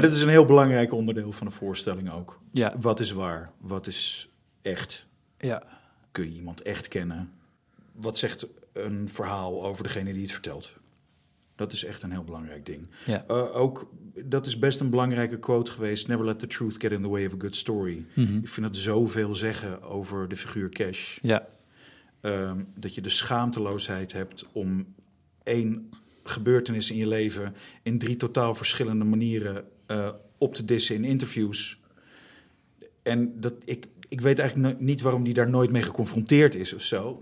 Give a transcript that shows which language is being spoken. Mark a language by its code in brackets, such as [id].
[nl] dat is een heel belangrijk onderdeel van de voorstelling ook. Ja. Wat is waar? Wat is echt? Ja. Kun je iemand echt kennen? Wat zegt een verhaal over degene die het vertelt? Dat is echt een heel belangrijk ding. Ja. Ook, dat is best een belangrijke quote geweest. [en] Never let the truth get in the way of a good story. Mm-hmm. [nl] Ik vind dat zoveel zeggen over de figuur Cash. Ja. Dat je de schaamteloosheid hebt om één gebeurtenissen in je leven in drie totaal verschillende manieren op te dissen in interviews. En dat ik weet eigenlijk niet waarom die daar nooit mee geconfronteerd is of zo.